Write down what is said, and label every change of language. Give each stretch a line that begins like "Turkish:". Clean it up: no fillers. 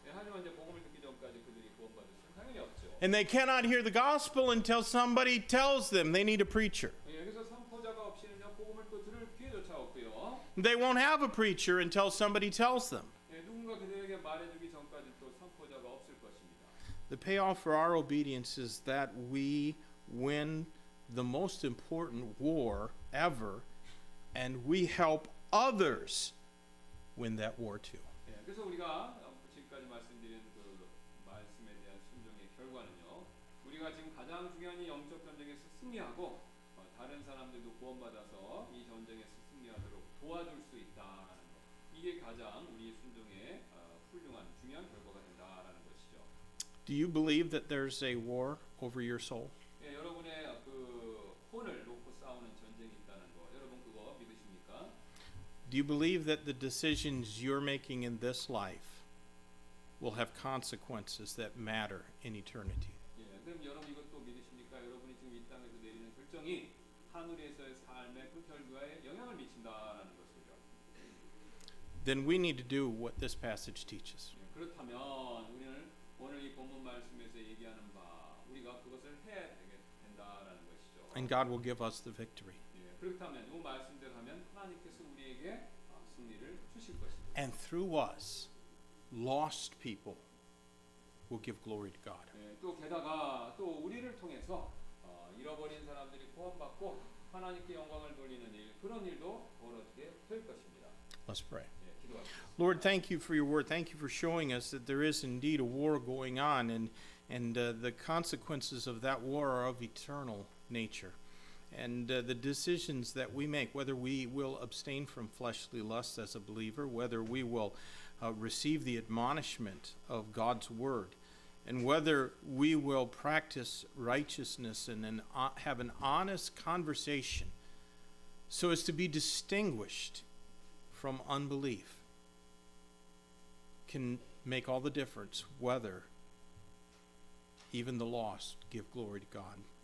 Korean: 예, 하지만 이제 복음을 듣기 전까지 그들이 구원받을 수는 당연히 없죠.
English: And they cannot hear the gospel until somebody tells them they need a preacher.
Korean: 예, 그래서 선포자가 없이는 복음을 또 들을 기회조차 없고요.
English: They won't have a preacher until somebody tells them.
Korean: 예, 누군가 그들에게 말해주기 전까지 또 선포자가 없을 것입니다.
English: The payoff for our obedience is that we win the most important war ever, and we help others win that war too.
Korean: 그래서 우리가 지금까지 말씀드린 그 말씀에 대한 순종의 결과는요. 우리가 지금 가장 중요한 이 영적 전쟁에서 승리하고 다른 사람들도 구원받아서 이 전쟁에서 승리하도록 도와줄 수 있다라는 거. 이게 가장 우리 순종의 훌륭한 중요한 결과가 된다라는 것이죠.
English: Do you believe that there's a war over your soul?
Korean: 여러분의 그 혼을 놓고 싸우는 전쟁이 있다는 거. 여러분 그거 믿으십니까?
English: Do you believe that the decisions you're making in this life will have consequences that matter in eternity?
Korean: 그럼 여러분 이것도 믿으십니까? 여러분이 지금 이 땅에서 내리는 결정이 하늘에서의 삶의 그 결과에 영향을 미친다라는 것이죠.
English: Then we need to do what this passage teaches.
Korean: 그렇다면 우리는 오늘 이 본문 말씀에서 얘기하는 바 우리가 그것을 해야 되게 된다라는 것이죠.
English: And God will give us the victory.
Korean: 그렇다면 이 말씀대로 하면 하나님께서 우리에게 승리를 주실 것입니다.
English: And through us, lost people will give glory to God.
Korean: 또 게다가 또 우리를 통해서 잃어버린 사람들이 구원받고 하나님께 영광을 돌리는 일 그런 일도 벌어지게 될 것입니다.
English: Let's pray. Lord, thank you for your word. Thank you for showing us that there is indeed a war going on, and the consequences of that war are of eternal nature. And the decisions that we make, whether we will abstain from fleshly lusts as a believer, whether we will receive the admonishment of God's word, and whether we will practice righteousness and have an honest conversation so as to be distinguished from unbelief, can make all the difference whether even the lost give glory to God.